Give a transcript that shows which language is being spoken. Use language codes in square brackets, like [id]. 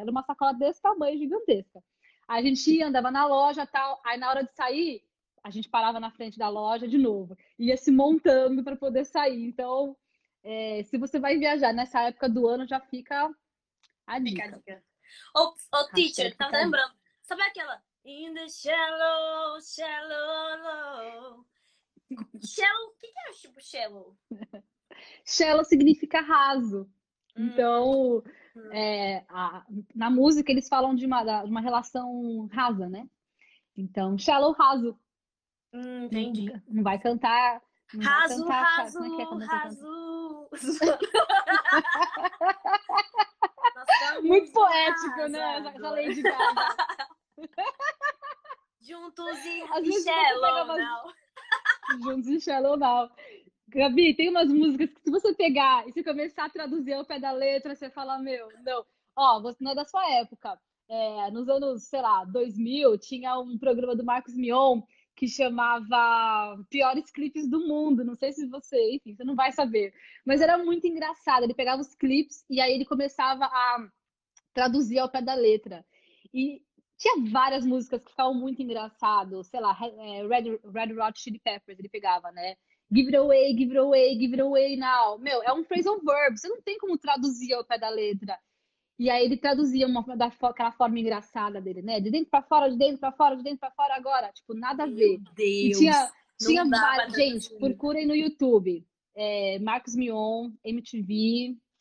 [pt] Era uma sacola desse tamanho, gigantesca. A gente ia, andava na loja e tal. Aí, na hora de sair, a gente parava na frente da loja de novo. Ia se montando pra poder sair. Então, se você vai viajar nessa época do ano, já fica a dica. Fica a dica. Ô, teacher, tava tá lembrando. Sabe aquela? [en] In the shallow, shallow, low. [pt] Shallow, o que, que é tipo shallow? Shallow significa raso. Então, na música eles falam de uma relação rasa, né? Então, shallow, raso. Entendi. Não vai cantar. Raso, raso, raso. Muito poético, né? Essa lei de Gaga. Juntos e [en] shallow now. [pt] Juntos e [en] shallow now. [pt] Gabi, tem umas músicas que se você pegar e se começar a traduzir ao pé da letra, você fala, meu, não. Ó, você não é da sua época. Nos anos, sei lá, 2000, tinha um programa do Marcos Mion que chamava Piores Clipes do Mundo. Não sei se você, enfim, você não vai saber. Mas era muito engraçado. Ele pegava os clipes e aí ele começava a traduzir ao pé da letra. E tinha várias músicas que ficavam muito engraçadas. Sei lá, Red Hot Chili Peppers ele pegava, né? [en] Give it away, give it away, give it away now. [pt] Meu, é um phrasal verb. Você não tem como traduzir ao pé da letra. E aí ele traduzia aquela forma engraçada dele, né? De dentro pra fora, de dentro pra fora, de dentro pra fora, agora. Tipo, nada a ver. Meu Deus. E tinha várias. Gente, procurem no YouTube. Marcos Mion, MTV.